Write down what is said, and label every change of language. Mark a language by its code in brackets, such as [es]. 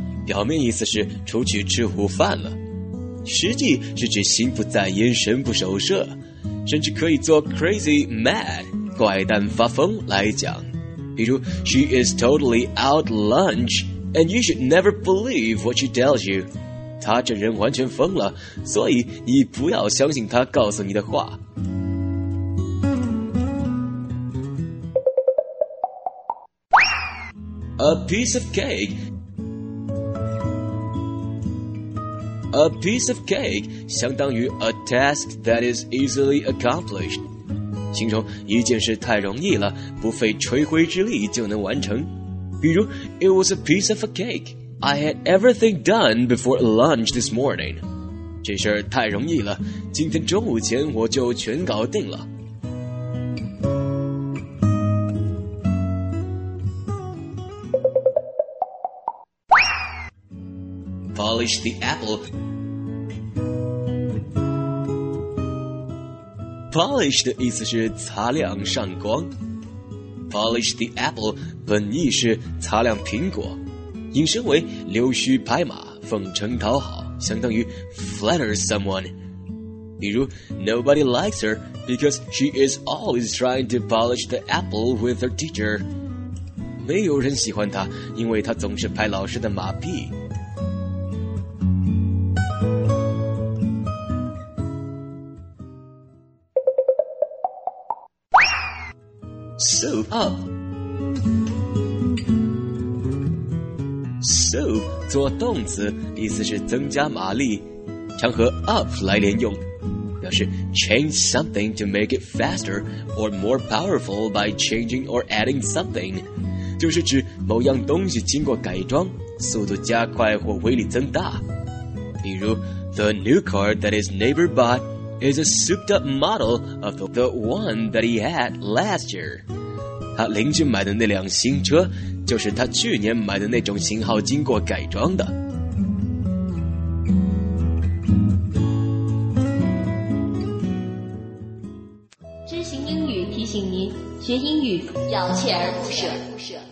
[zh] 表面意思是出去吃午饭了，实际是指心不在焉、神不守舍，甚至可以做 [en] crazy mad [zh] 怪诞发疯来讲。比如 [en] She is totally out lunch, and you should never believe what she tells you. [zh] 她这人完全疯了，所以你不要相信她告诉你的话。 [en] A piece of cake. A piece of cake [zh] 相当于 [en] a task that is easily accomplished, [zh] 形容一件事太容易了，不费吹灰之力就能完成。比如 [en] It was a piece of a cake. I had everything done before lunch this morning. [zh] 这事儿太容易了，今天中午前我就全搞定了。 [en] Polish the apple. [zh] Polish 的意思是擦亮上光。 [en] Polish the apple [zh] 本意是擦亮苹果，引申为溜须拍马、奉承讨好，相当于 [en] flatter someone. [zh] 比如 [en] Nobody likes her because she is always trying to polish the apple with her teacher. [zh] 没有人喜欢她，因为她总是拍老师的马屁。 [en] Soup up. [zh] Soup 做动词，意思是增加马力，常和 up 来连用，表示 [en] change something to make it faster or more powerful by changing or adding something, [zh] 就是指某样东西经过改装，速度加快或威力增大。比如 The new car that his neighbor bought is a souped up model of the one that he had last year. 他邻居买的那辆新车就是他去年买的那种型号经过改装的。知行英语提醒您，学英语要锲而不舍。